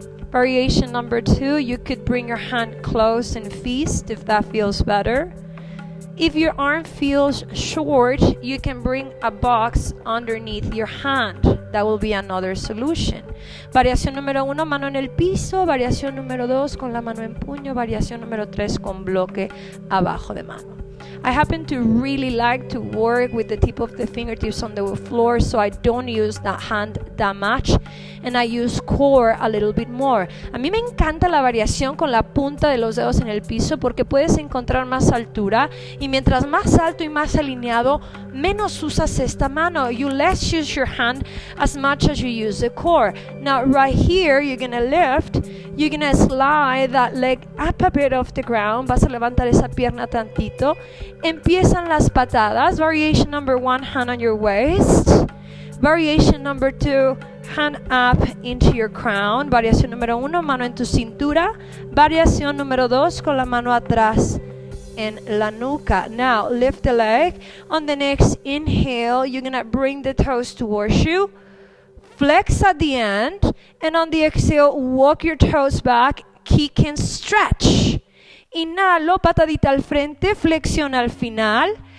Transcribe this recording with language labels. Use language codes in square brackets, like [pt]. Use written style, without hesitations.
[en] Variation number two, you could bring your hand close and fist if that feels better. If your arm feels short, you can bring a box underneath your hand. That will be another solution. [es] Variación número uno, mano en el piso. Variación número dos, con la mano en puño. Variación número tres, con bloque abajo de mano. [en] I happen to really like to work with the tip of the fingertips on the floor, so I don't use that hand that much, and I use core a little bit more. [es] A mí me encanta la variación con la punta de los dedos en el piso porque puedes encontrar más altura, y mientras más alto y más alineado, menos usas esta mano. [en] You less use your hand as much as you use the core. Now right here, you're gonna lift, you're gonna slide that leg up a bit off the ground, [es] vas a levantar esa pierna tantito. Empiezan las patadas. [en] Variation number one, hand on your waist. Variation number two, hand up into your crown. [es] Variación número uno, mano en tu cintura. Variación número dos, con la mano atrás en la nuca. [en] Now, lift the leg. On the next inhale, you're gonna bring the toes towards you. Flex at the end. And on the exhale, walk your toes back. Kick and stretch. [es] Inhalo, patadita al frente, flexión al final.